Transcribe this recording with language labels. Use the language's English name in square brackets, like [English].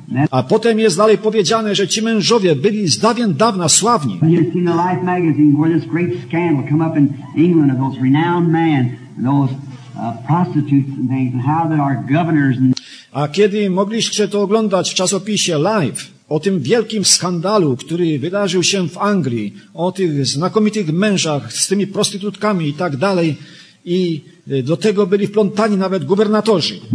[Polish] A potem jest dalej powiedziane, że ci mężowie byli z dawien dawna sławni. [English] Life magazine where this great scandal come up in England of those renowned men, those prostitutes and how that our governors and... [Polish] A kiedy mogliście to oglądać w czasopisie Life, o tym wielkim skandalu, który wydarzył się w Anglii, o tych znakomitych mężach z tymi prostytutkami i tak dalej, i do tego byli wplątani nawet gubernatorzy.